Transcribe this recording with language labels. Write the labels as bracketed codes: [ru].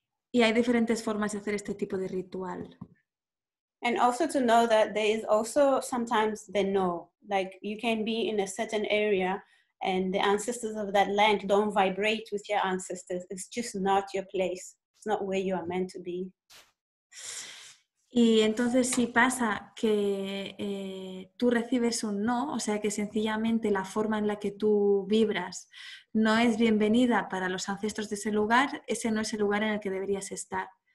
[es] Y hay diferentes formas de hacer este tipo de ritual. [en] And also to know that there is also sometimes the no. Like you can be in a certain area and the ancestors of that land don't vibrate with your ancestors. It's just not your place. It's not where you are meant to be. [es] Y entonces si pasa que tú recibes un no, o sea que sencillamente la forma en la que tú vibras no es bienvenida para los ancestros de ese lugar, ese no es el lugar en el que deberías estar.